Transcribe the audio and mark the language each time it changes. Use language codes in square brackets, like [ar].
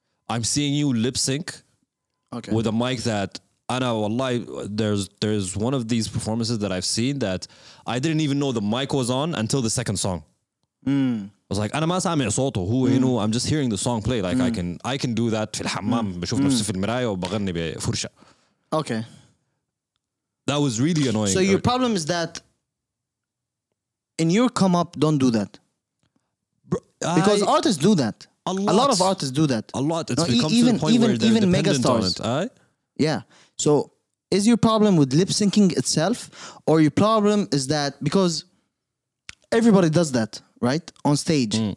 [en] I'm seeing you lip sync with a mic that... I know, wallahi, there's one of these performances that I've seen that I didn't even know the mic was on until the second song. Mm. I was like, [ar] أنا ما سامع صوته. هو, [en] you know, I'm just hearing the song play. Like, I can do that [ar] في الحمام. بشوف نفسي في المراية وبغني بفرشة. [en] Okay. That was really annoying. So your problem is that in your come up, don't do that. Because artists do that. A lot of artists do that. A lot. It's become to the point where they're dependent on it. Yeah. So is your problem with lip syncing itself, or your problem is that because everybody does that, right? On stage. Mm.